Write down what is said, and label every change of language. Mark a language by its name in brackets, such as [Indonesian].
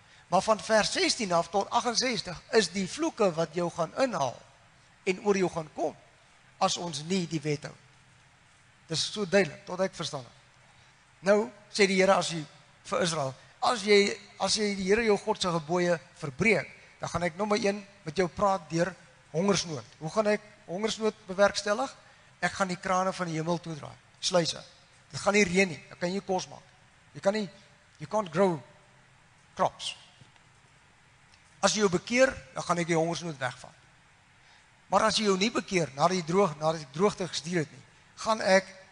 [Afrikaans] Maar van vers 16 af tot 68 is die vloeke wat jou gaan inhaal en oor jou gaan kom, as ons nie die wet hou. Dis so duidelik, tot ek verstaan. Nou, sê die Here as jy vir Israel, as jy die Here jou God se gebooie verbreek, dan gaan ek nommer 1 met jou praat deur hongersnood. Hoe gaan ek hongersnood bewerkstellig? Ek gaan die krane van die hemel toedraai, sluise. Dit gaan nie reën nie, dan kan jy kos maak. [English] You can't grow crops. [Afrikaans] As jy jou bekeer, dan gaan ek die hongersnood wegvat. Maar as jy jou nie bekeer, nadat die droogte gestuur het nie, gaan ek